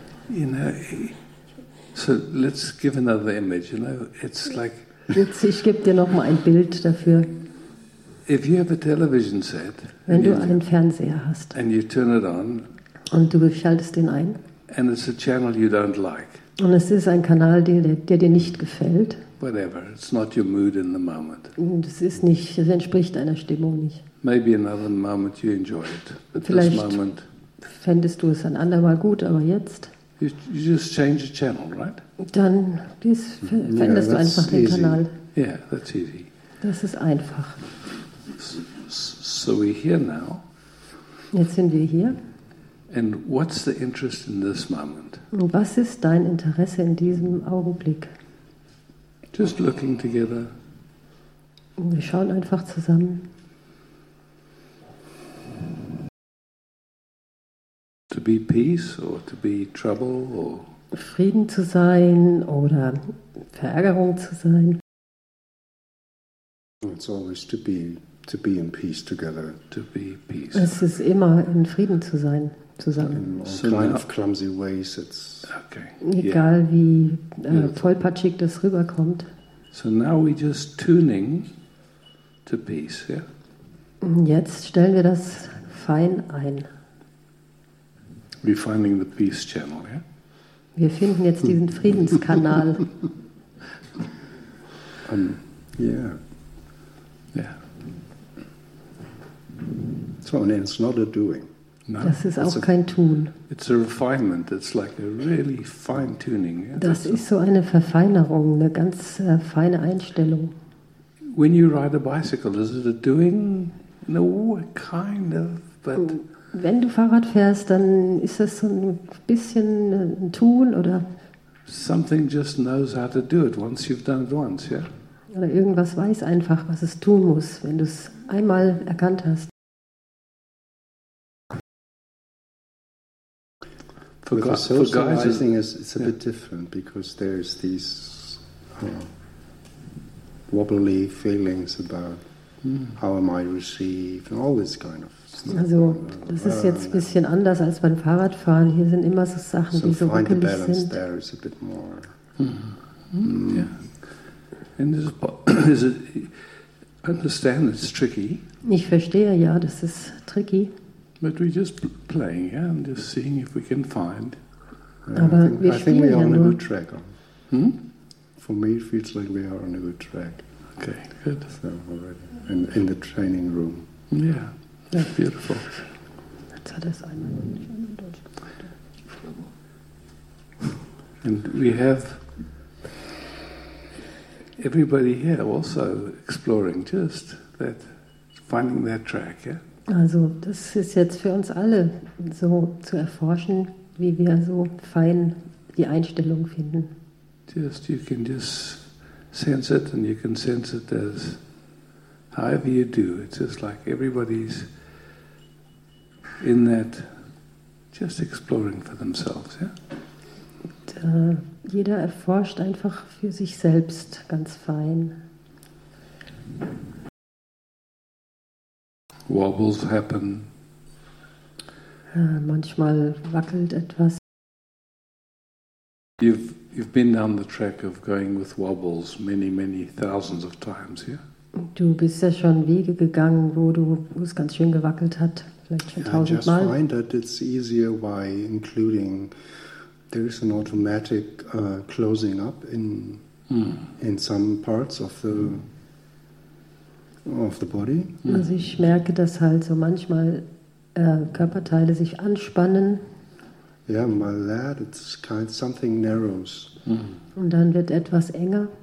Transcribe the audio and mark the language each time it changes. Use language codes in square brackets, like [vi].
[en] You know, so let's give another image. You know, it's like. [de] Jetzt ich gebe dir noch mal ein Bild dafür. [en] If you have a television set. [de] Wenn du einen Fernseher hast. [en] And you turn it on. [de] Und du schaltest den ein. [en] And it's a channel you don't like. [de] Und es ist ein Kanal, der dir nicht gefällt. [en] Whatever, it's not your mood in the moment. [de] Und es ist nicht, es entspricht deiner Stimmung nicht. [en] Maybe another moment you enjoy it. [de] But vielleicht [en] this moment, [de] fändest du es ein andermal gut, aber jetzt. [en] You just change the channel, right? [de] Dann fändest du einfach den Kanal. [en] Yeah, that's easy. [de] Das ist einfach. [en] So we're here now. [de] Jetzt sind wir hier. [en] And what's the interest in this moment? [de] Was ist dein Interesse in diesem Augenblick? [en] Just looking together. [de] Wir schauen einfach zusammen. [en] To be peace or to be trouble or [de] Frieden zu sein oder Verärgerung zu sein. [en] It's always to be in peace together. To be peace. [de] Es ist immer in Frieden zu sein. Zusammen. [en] So kind of clumsy ways, it's okay. [de] Egal yeah. Wie tollpatschig das rüberkommt. [en] So now we just tuning to peace, yeah? [de] Jetzt stellen wir das fein ein. [en] We're finding the peace channel, yeah? [de] Wir finden jetzt diesen Friedenskanal. [en] So, and it's not a doing. [de] No, das ist auch kein Tun. [en] It's a refinement. It's like a really fine tuning. [de] Yeah, das ist so eine Verfeinerung, eine ganz feine Einstellung. [en] When you ride a bicycle, is it a doing? No, kind of, but. [de] Wenn du Fahrrad fährst, dann ist das so ein bisschen ein Tun oder. [en] Something just knows how to do it once you've done it once, yeah. [de] Oder irgendwas weiß einfach, was es tun muss, wenn du es einmal erkannt hast. [en] For guys, I think it's a bit different because there's these wobbly feelings about how am I received and all this kind of stuff. [de] Also, das ist jetzt ein bisschen anders als beim Fahrradfahren. Hier sind immer so Sachen, die so wackelig sind. [en] So find the balance there is a bit more. And is it, understand it's tricky. [de] Ich verstehe, ja, das ist tricky. [en] But we're just playing, yeah, and just seeing if we can find. [de] Aber [en] I think we are on [de] nur. [en] A good track. For me, it feels like we are on a good track. Okay, good. So already in the training room. Yeah, yeah, beautiful. [de] Jetzt hat es einmal [en] And we have everybody here also exploring just that, finding that track, yeah? [de] Also, das ist jetzt für uns alle so zu erforschen, wie wir so fein die Einstellung finden. [en] Just, you can just sense it and you can sense it as however you do. It's just like everybody's in that just exploring for themselves, yeah? [de] Und, jeder erforscht einfach für sich selbst ganz fein. [en] Wobbles happen. [de] Manchmal wackelt etwas. [en] You've been down the track of going with wobbles many, many thousands of times, yeah? [de] Du bist ja schon Wege gegangen, wo es ganz schön gewackelt hat, vielleicht schon tausendmal. [en] I find that it's easier by including there is an automatic closing up in some parts of the body. [de] Also ich merke, dass halt so manchmal Körperteile sich anspannen. [en] Yeah, my lad, it's kind of something narrows. [de] Und dann wird etwas enger.